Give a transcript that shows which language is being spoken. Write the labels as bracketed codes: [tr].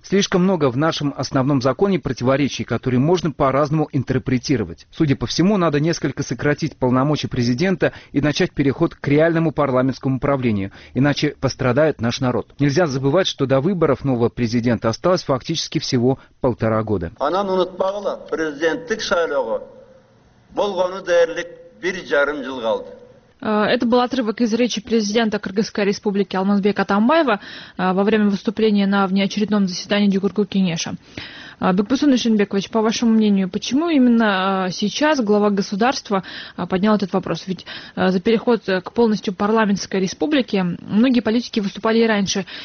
[ru] Слишком много в нашем основном законе противоречий, которые можно по-разному интерпретировать. Судя по всему, надо несколько сократить полномочия президента и начать переход к реальному парламентскому правлению, иначе пострадает наш народ. Нельзя забывать, что до выборов нового президента осталось фактически всего 1,5 года. [ky] Анан унутпагыла, президенттик шайлоого болгону дээрлик 1,5 жыл калды. [ru] Это был отрывок из речи президента Кыргызской республики Алмазбека Атамбаева во время выступления на внеочередном заседании Жогорку Кеңеша. Бекбосун Ишенбекович, по вашему мнению, почему именно сейчас глава государства поднял этот вопрос? Ведь за переход к полностью парламентской республике многие политики выступали и раньше.